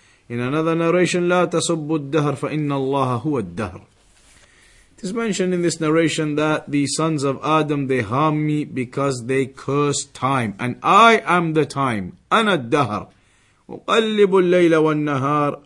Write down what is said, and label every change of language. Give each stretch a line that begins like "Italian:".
English: In another narration,
Arabic: لا تسب الدهر فإن الله هو الدهر.
English: It is mentioned in this narration that the sons of Adam, they harm me because they curse time, and I am the time.
Arabic: أنا الدهر أقلب الليل والنهار.